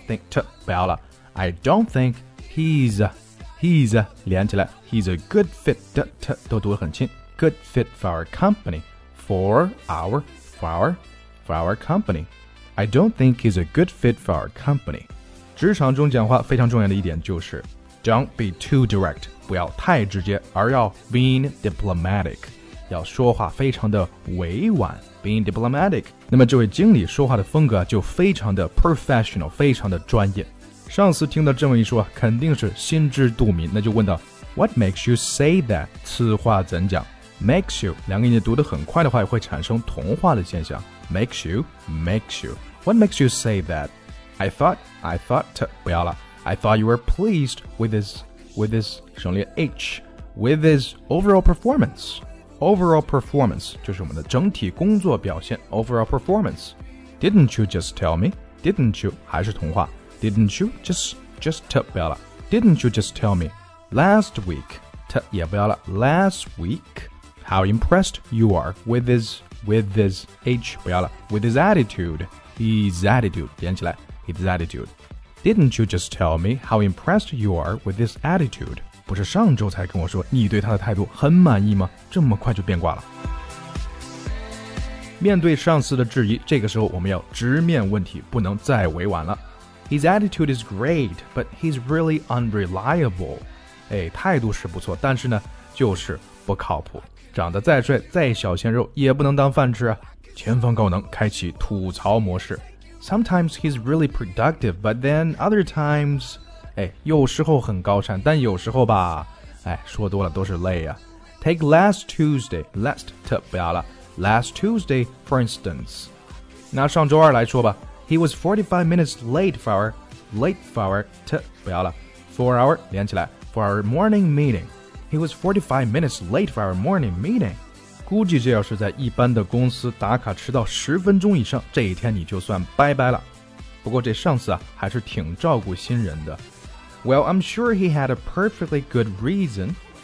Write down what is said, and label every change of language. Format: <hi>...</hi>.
<zh>特不要了。</zh> <en>I don't think he's,</en> <zh>连起来</zh> <en>he's a good fit,</en> <zh>特都读得很轻。</zh> <en>Good fit for our company, for our company. I don't think he's a good fit for our company.</en> <zh>职场中讲话非常重要的一点就是</zh> <en>don't be too direct.</en> <zh>不要太直接而要</zh> <en>being diplomatic</en> <zh>要说话非常的委婉</zh> <en>being diplomatic</en> <zh>那么这位经理说话的风格就非常的</zh> <en>professional</en> <zh>非常的专业上司听到这么一说肯定是心知肚明那就问到</zh> <en>what makes you say that</en> <zh>此话怎讲</zh> <en>makes you</en> <zh>两个音读得很快的话也会产生同化的现象</zh> <en>makes you what makes you say that I thought</en> <zh>不要了</zh> <en>I thought you were pleased with his</en> <zh>省略 H</zh> <en>with his overall performance</en> <zh>就是我们的整体工作表现</zh> <en>overall performance didn't you just tell me didn't you</en> <zh>还是同话</zh> <en>didn't you just</en> <zh>to 不要了</zh> <en>didn't you just tell me last week, last week, how impressed you are with his attitude. His attitude,</en> <zh>连起来,</zh> <en>his attitude. Didn't you just tell me how impressed you are with his attitude?</en> <zh>不是上周才跟我说你对他的态度很满意吗？这么快就变卦了。面对上司的质疑，这个时候我们要直面问题，不能再委婉了。</zh> <en>His attitude is great, but he's really unreliable.</en> <zh>哎，态度是不错，但是呢，就是不靠谱。长得再帅，再小鲜肉，也不能当饭吃啊。前方高能，开启吐槽模式。</zh> <en>Sometimes he's really productive, but then other times...</en> <zh>哎，有时候很高产，但有时候吧，哎，说多了都是泪啊。</zh> <en>Take last Tuesday, last</en> <zh>不要了。</zh> <en>Last Tuesday, for instance.</en> <zh>那上周二来说吧。</zh> <en>He was 45 minutes late for our,</en> <zh>不要了。</zh> <en>For our,</en> <zh>连起来。</zh> <en>For our morning meeting. He was 45 minutes late for our morning meeting.</en> <zh>估计这要是在一般的公司打卡迟到十分钟以上，这一天你就算拜拜了。不过这上司啊，还是挺照顾新人的。</zh> <en>Well, I'm sure he had a perfectly good reason.</en>